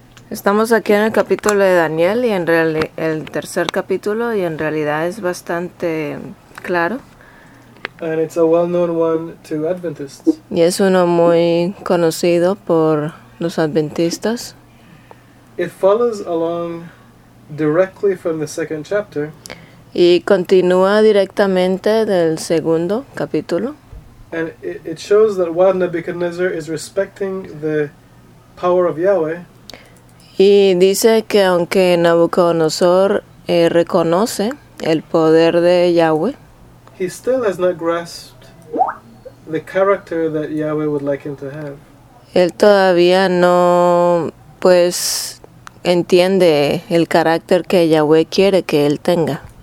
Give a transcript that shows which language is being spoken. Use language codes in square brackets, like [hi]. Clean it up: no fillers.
[es] Estamos aquí en el capítulo de Daniel y en realidad el tercer capítulo y en realidad es bastante claro. [en] And it's a well-known one to Adventists. [es] Y es uno muy conocido por los adventistas. [en] It follows along directly from the second chapter. [es] Y continúa directamente del segundo capítulo. [en] And it shows that while Nebuchadnezzar is respecting the power of Yahweh, [es] y dice que aunque Nabucodonosor reconoce el poder de Yahweh, [en] he still has not grasped the character that Yahweh would like him to have. [es] Él todavía no, pues, entiende el carácter que Yahweh quiere que él tenga.